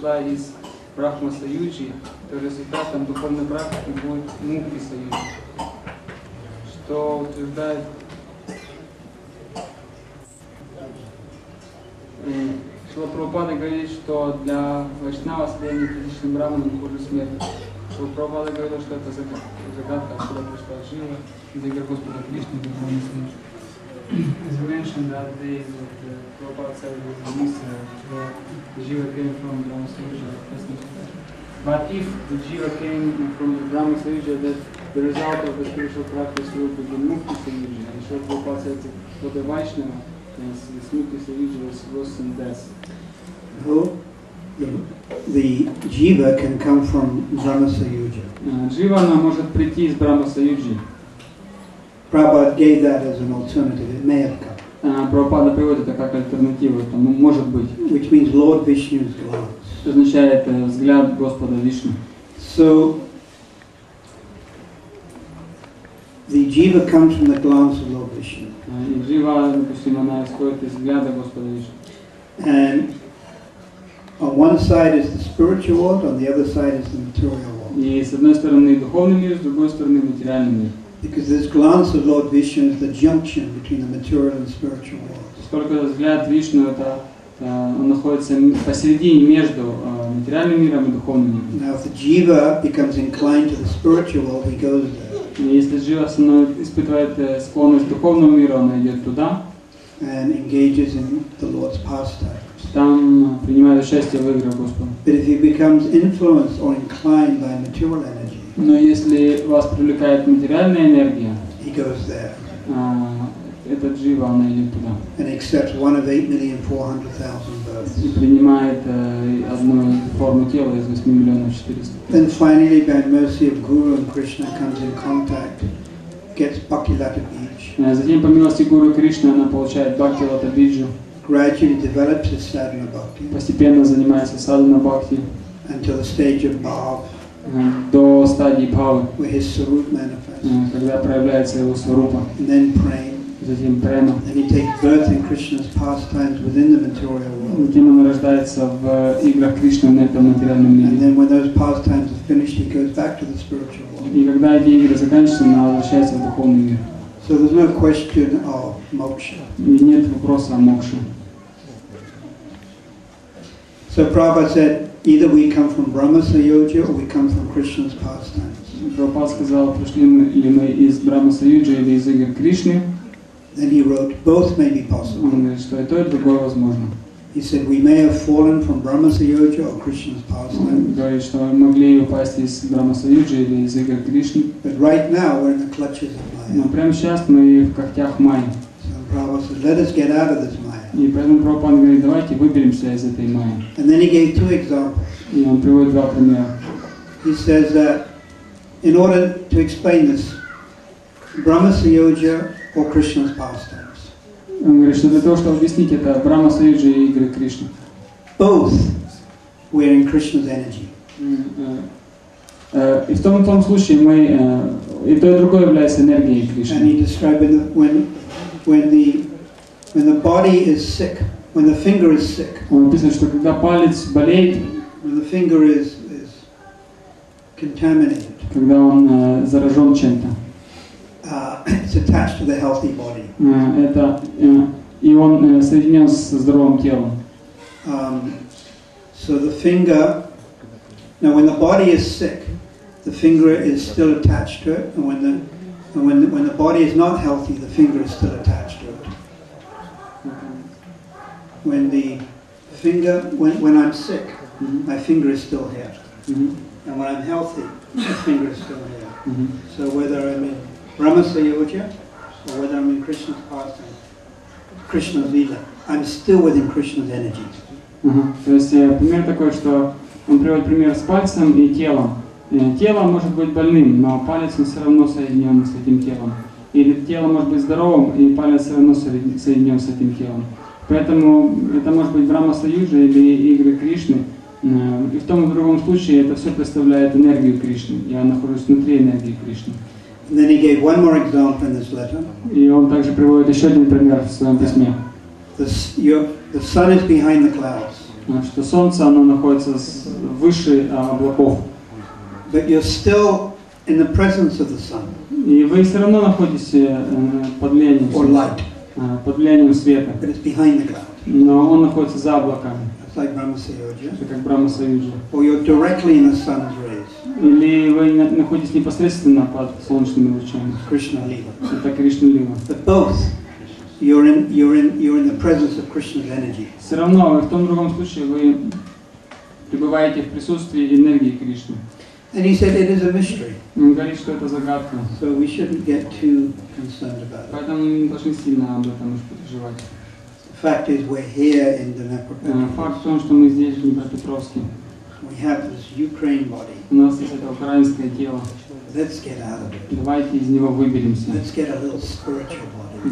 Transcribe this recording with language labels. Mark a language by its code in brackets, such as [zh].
[ru] Из Брахма Саюджи, то результатом духовной практики будет Мукти Саюджи, что утверждает Шрила Прабхупада, говорит, что для вайшнава следование предыдущим брахманам хуже смерти. Шрила Прабхупада говорил, что это загадка, откуда пришла Джива, где Господа Кришна духовный Саюджи. [en] As you mentioned that day that Prabhupada said was the Misra, the Jiva came from Brahma Sayuja. But if the Jiva came from the Brahma Sayuja, then the result of the spiritual practice will be the Mukti Sayuja. And so Prabhupada said that for the Vaishnava, yes, this Mukti Sayuja was worse than death. The Jiva can come from Brahma Sayuja. [ru] Jiva может прийти из Brahma Sayuja. [en] Prabhupada gave that as an alternative. It may have come. [ru] Prabhupada приводит это как альтернативу. Это может быть. [en] Which means Lord Vishnu's glance. [ru] Означает взгляд Господа Вишну. [en] So the jiva comes from the glance of Lord Vishnu. [ru] Jiva, допустим, она исходит из взгляда Господа Вишну. [en] And on one side is the spiritual world, on the other side is the material world. [ru] И с одной стороны духовный мир, с другой стороны материальный мир. [en] Because this glance of Lord Vishnu is the junction between the material and spiritual worlds. [ru] Поскольку взгляд Вишну это он находится посередине между материальным миром и духовным миром. [en] Now, if the jiva becomes inclined to the spiritual world, he goes there. [ru] Если jiva испытывает склонность к духовному миру, он идет туда. [en] And engages in the Lord's pastimes. [ru] Там принимает участие в играх Господа. [en] But if he becomes influenced or inclined by material energy. [ru] Но если вас привлекает материальная энергия, [en] he goes there. [ru] Этот джива, он идет туда. [en] And accepts one of 8,400,000 births. [ru] И принимает одну форму тела из 8,400,000. [en] Then finally, by mercy of Guru and Krishna, comes in contact, gets Bhakti-Lata Bija. [ru] Затем, по милости Гуру Кришны, она получает Бхакти-Лата Биджу. [en] Gradually develops his sadhana bhakti. [ru] Постепенно занимается садхана бхакти. [en] Until the stage of bhav. [ru] До стадии Павы, [en] where his sarup manifests. [ru] Когда проявляется его сварупа. [en] Then prema. [ru] Затем према. [en] Then he takes birth in Krishna's pastimes within the material world. [ru] Затем он рождается в играх Кришны на этом материальном мире. [en] And then when those pastimes are finished, he goes back to the spiritual world. [ru] И когда эти игры заканчиваются, он возвращается в духовный мир. [en] So there's no question of moksha. [ru] И нет вопроса о мокше. [en] So Prabhupada said. Either we come from Brahma Sayuja or we come from Krishna's pastimes. [ru] Prabhupada сказал, пришли ли мы из Брахма Саюджи или из игр Кришны. [en] Then he wrote, both may be possible. [ru] Он говорит, что и то, и другое возможно. [en] He said, we may have fallen from Brahma Sayuja or Krishna's pastimes. [ru] Говорит, что мы могли упасть из Брахма Саюджи или из игр Кришны. [en] But right now we're in the clutches of Maya. [ru] Но прямо сейчас мы в когтях Майи. [en] So Prabhupada said, let us get out of this Maya. [ru] И поэтому Прабхупада говорит, давайте выберемся из этой майи. [en] And then he gave two examples. [ru] И он приводит два примера. [en] He says that in order to explain this, Brahma Sayuja or Krishna's pastimes. [ru] Он говорит, что для того, чтобы объяснить это, Брахма Саюджа и игры Кришны. [en] Both were in Krishna's energy. [ru] И в том и том случае мы и то и другое является энергией Кришны. [en] And he described when the body is sick, when the finger is sick. [ru] Он описывает, что когда палец болеет. [en] When the finger is contaminated. [ru] Когда он заражен чем-то. [en] It's attached to the healthy body. [ru] Это и он соединен со здоровым телом. [en] So the finger. Now, when the body is sick. The finger is still attached to it, and when the body is not healthy, the finger is still attached to it. Mm-hmm. When the finger, when I'm sick, mm-hmm. my finger is still here, mm-hmm. and when I'm healthy, the finger is still here. Mm-hmm. So whether I'm in Brahmasayoja or whether I'm in Krishna's pastime, Krishna's lila, I'm still within Krishna's energy. [ru] То есть пример такой, что он приводит пример с пальцем и телом. Тело может быть больным, но палец все равно соединен с этим телом. Или тело может быть здоровым, и палец все равно соединен с этим телом. Поэтому это может быть Брама Союза или игры Кришны. И в том и другом случае это все представляет энергию Кришны. Я нахожусь внутри энергии Кришны. [en] And then he gave one more example in this letter. [ru] И он также приводит еще один пример в своем письме. [en] The sun is behind the clouds. [ru] Что солнце, оно находится выше облаков. [en] But you're still in the presence of the sun. [ru] И вы все равно находитесь под влиянием света. [en] Or light. [ru] Под влиянием света. [en] But it's behind the cloud. [ru] Но он находится за облаками. [en] It's like Брахма-саюджа. [ru] Это как Брахма-саюджа. [en] Or you're directly in the sun's rays. [ru] Или вы находитесь непосредственно под солнечными лучами. [en] Кришна-лила. [ru] Это Кришна-лила. [en] But both. You're in the presence of Krishna's energy. [ru] Все равно в том другом случае вы пребываете в присутствии энергии Кришны. [en] And he said it is a mystery. [ru] Он говорит, что это загадка. [en] So we shouldn't get too concerned about it. [ru] Поэтому мы не должны сильно об этом уж переживать. [en] The fact is we're here in Dnipro. [ru] Факт в том, что мы здесь, в Днепропетровске. [en] We have this Ukraine body. [ru] У нас есть это украинское тело. [en] Let's get out of it. [ru] Давайте из него выберемся. [en] Let's get a little spiritual body.